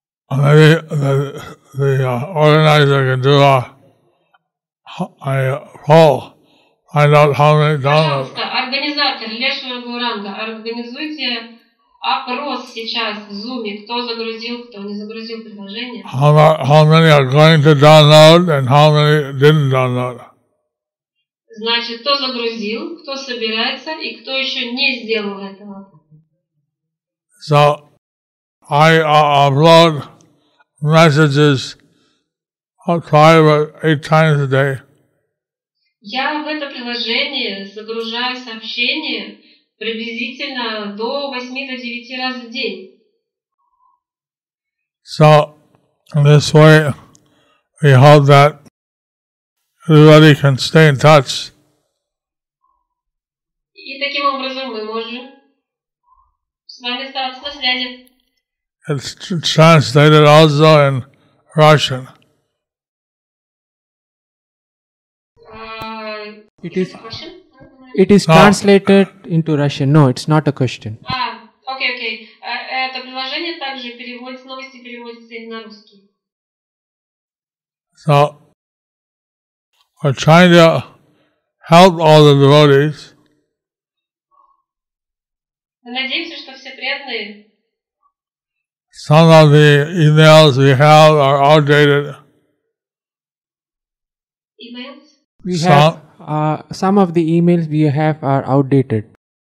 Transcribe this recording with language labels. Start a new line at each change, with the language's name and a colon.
English: Maybe the organizer can do a poll. Find out how many downloads.
Russian: Пожалуйста, организатор Лешва Гуранга, организуйте опрос сейчас в Zoom, кто загрузил, кто не загрузил приложение.
English: How many are going to download and how many didn't download?
Russian: Значит, кто загрузил, кто собирается и кто еще не сделал этого.
English: So, I upload messages private 8 times a day.
Russian: Я в это приложение загружаю сообщения приблизительно до 8-9 раз в день.
English: So, in this way, we hope that everybody can stay in touch.
Russian: И таким образом мы можем с вами оставаться на связи.
English: It's translated also in Russian. It is translated into Russian. No, it's not a question. Okay.
Russian: Это приложение также переводится, новости переводятся на русский.
English: So, we're trying to help all the devotees.
Russian: Мы надеемся, что все преданные.
English: Some of the emails we have are outdated. Emails? Some of the emails we have are outdated.